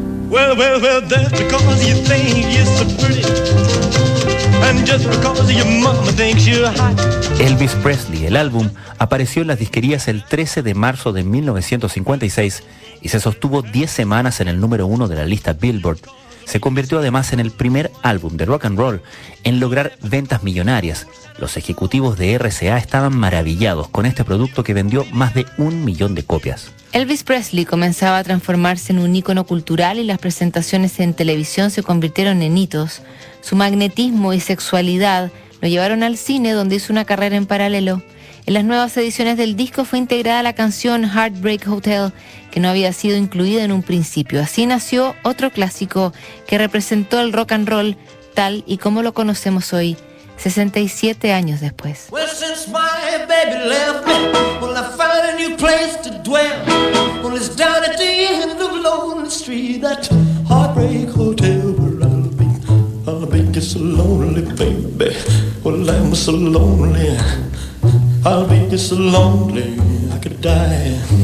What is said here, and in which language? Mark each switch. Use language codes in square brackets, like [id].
[en] Well, well, well, that's because you think you're so pretty. And just because your mama thinks you're hot. [es] Elvis Presley, el álbum, apareció en las disquerías el 13 de marzo de 1956 y se sostuvo 10 semanas en el número 1 de la lista Billboard. Se convirtió además en el primer álbum de rock and roll en lograr ventas millonarias. Los ejecutivos de RCA estaban maravillados con este producto que vendió más de 1 millón de copias. Elvis Presley comenzaba a transformarse en un ícono cultural y las presentaciones en televisión se convirtieron en hitos. Su magnetismo y sexualidad lo llevaron al cine, donde hizo una carrera en paralelo. En las nuevas ediciones del disco fue integrada la canción Heartbreak Hotel, que no había sido incluida en un principio. Así nació otro clásico que representó el rock and roll tal y como lo conocemos hoy, 67 años después. [en] Well, since my baby left me, well, I found a new place to dwell. Well, it's down at the end of Lonely Street, that Heartbreak Hotel, where I'll be just so lonely, baby. Well, I'm so lonely, I'll be just so lonely, I could die.